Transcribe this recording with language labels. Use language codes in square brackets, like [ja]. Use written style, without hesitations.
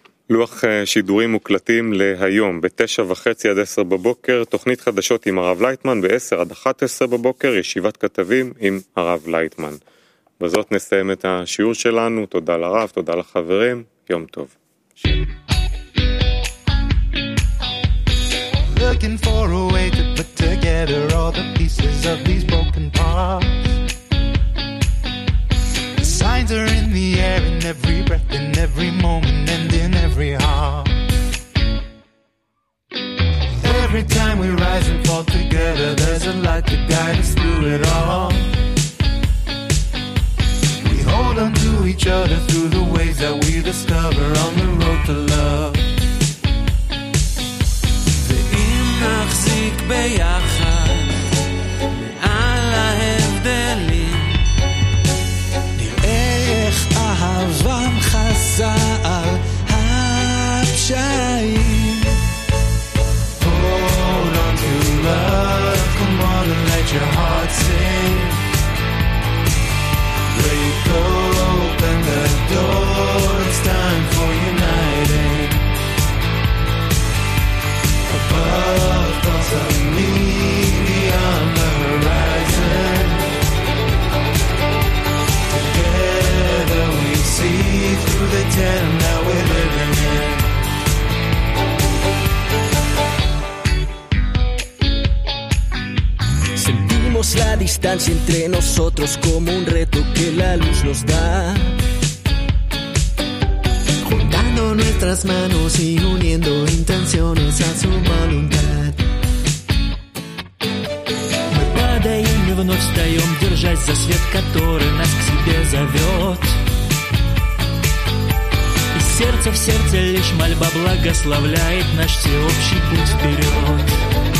[he] לוח שידורים מוקלטים להיום, ב9:30 עד 10 בבוקר, תוכנית חדשות עם הרב לייטמן, ב10 עד 11 בבוקר, ישיבת כתבים עם הרב לייטמן. בזאת נסיים את השיעור שלנו, תודה לרב, תודה לחברים, יום טוב. [en] Looking for a way to put together all the pieces of these broken parts. The signs are in the air, in every breath, in every moment, and in every heart. Every time we rise and fall together, there's a light to guide us through it all. We hold on to each other through the ways that we discover on the road to love. [he] נחזיק ביחד על ההבדלים, נראה איך אהבה מחזה על הפשעים. [en] Hold on to love, come on and let your heart sing. Break open the door, it's time for uniting. Above thoughts of me. [es] la distancia entre nosotros como un reto que la luz nos da. Juntando nuestras manos y uniendo intenciones a su voluntad. [ru] Мы падаем и вновь встаем, держась за свет, который нас к себе зовет. И сердце в сердце лишь мольба благословляет наш всеобщий путь вперед.